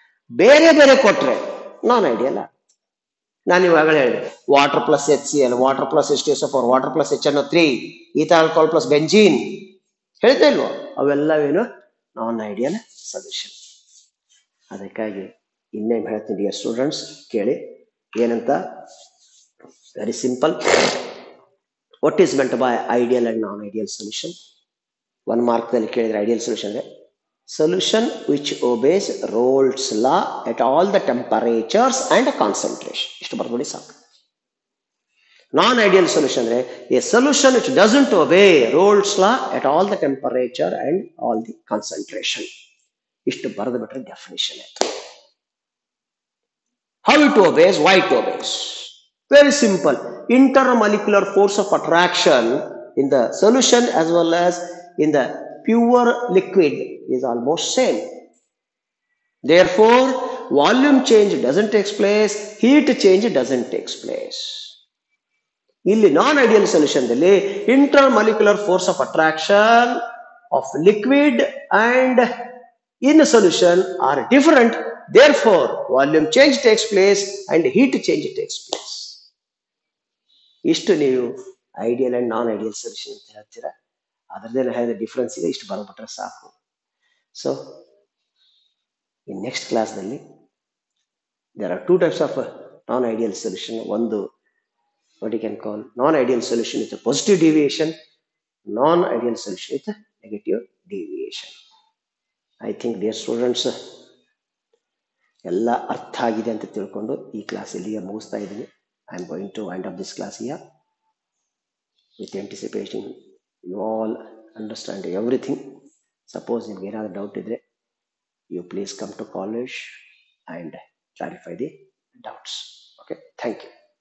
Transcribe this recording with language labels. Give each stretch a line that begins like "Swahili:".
Kannada: ಬೇರೆ ಬೇರೆ ಕೊಟ್ರೆ ನಾನ್ ಐಡಿಯಲ್ ಆಗುತ್ತೆ. ನಾನು ಇವಾಗ ಹೇಳಿದೆ water plus H C L, water plus H S F, water plus H N O 3, ether alcohol plus benzene ಹೇಳ್ತಾ ಇಲ್ವೋ, ಅವೆಲ್ಲವೇನು ನಾನ್ ಐಡಿಯಲ್ ಸೊಲ್ಯೂಷನ್. ಅದಕ್ಕಾಗಿ ಇನ್ನೇನು ಹೇಳ್ತೀನಿ ಡಿಯರ್ ಸ್ಟೂಡೆಂಟ್ಸ್ ಕೇಳಿ, ಏನಂತ
English: very simple. What is meant by ideal and non-ideal solution? One mark
Kannada: ಅಲ್ಲಿ ಕೇಳಿದ್ರೆ ideal solution ಇದೆ.
English: Solution which obeys Raoult's law at all the temperatures and concentration.
Kannada: ಇಷ್ಟು ಬರ್ಬೋದು ಸಾಕು.
English: non ideal solution
Kannada: ಅಂದ್ರೆ
English: A solution which doesn't obey Raoult's law at all the temperature and all the concentration.
Kannada: ಇಷ್ಟು ಬರೆದು ಬಿಟ್ರೆ ಡೆಫಿನೇಷನ್ ಆಯ್ತು.
English: How it obeys, why it obeys, very simple. Intermolecular force of attraction in the solution as well as in the pure liquid is almost same. Therefore, volume change doesn't take place, heat change doesn't take place.
Kannada: Illi
English: non-ideal solution
Kannada: dalli
English: intermolecular force of attraction of liquid and in solution are different. Therefore, volume change takes place and heat change takes place.
Kannada: Ishtu neevu ideal and non-ideal solution anta helthira. ಅದರದೇ ಹೇಳಿದ difference ಇದೆ. ಇಷ್ಟು ಬರ್ಬಿಟ್ರೆ ಸಾಕು.
English: So in next ಕ್ಲಾಸ್ನಲ್ಲಿ there are two types of non ideal solution.
Kannada: ಒಂದು
English: What you can call non ideal solution with positive deviation, non ideal solution with negative deviation. I think dear students
Kannada: ಎಲ್ಲ ಅರ್ಥ ಆಗಿದೆ ಅಂತ ತಿಳ್ಕೊಂಡು ಈ class ಇಲ್ಲಿಯೇ ಮುಗಿಸ್ತಾ ಇದ್ದೀನಿ.
English: I am going to end of this class year with anticipation. You all understand everything. Suppose if there are doubt, you please come to college and clarify the doubts. Okay, thank you.